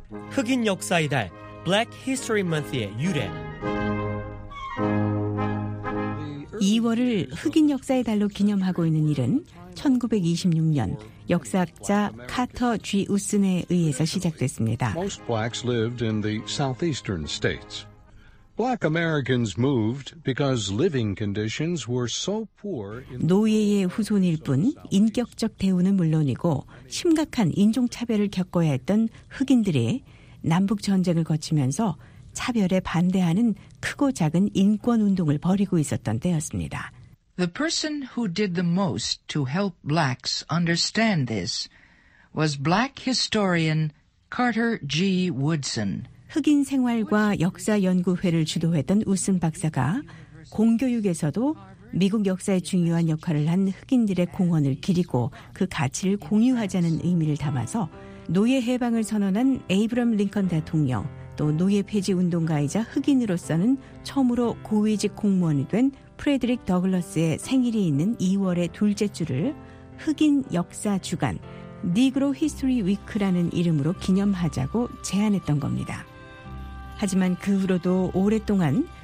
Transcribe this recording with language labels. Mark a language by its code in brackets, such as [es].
[ko] 흑인 역사의 달, Black History Month의 유래. 2월을 흑인 역사의 달로 기념하고 있는 일은 1926년 역사학자 카터 G. 우슨에 의해서 시작됐습니다. [en] Most blacks lived in the southeastern states. Black Americans moved because living conditions were so poor. [ko] 노예의 후손일 뿐 인격적 대우는 물론이고 심각한 인종 차별을 겪어야 했던 흑인들이 남북 전쟁을 거치면서 차별에 반대하는 크고 작은 인권 운동을 벌이고 있었던 때였습니다. [en] The person who did the most to help blacks understand this was black historian Carter G. Woodson. [ko] 흑인 생활과 역사 연구회를 주도했던 우슨 박사가 공교육에서도 미국 역사에 중요한 역할을 한 흑인들의 공헌을 기리고 그 가치를 공유하자는 의미를 담아서 노예 해방을 선언한 에이브럼 링컨 대통령, 또 노예 폐지 운동가이자 흑인으로서는 처음으로 고위직 공무원이 된 프레드릭 더글러스의 생일이 있는 2월의 둘째 주를 흑인 역사 주간, Negro History Week라는 이름으로 기념하자고 제안했던 겁니다. 하지만 그 후로도 오랫동안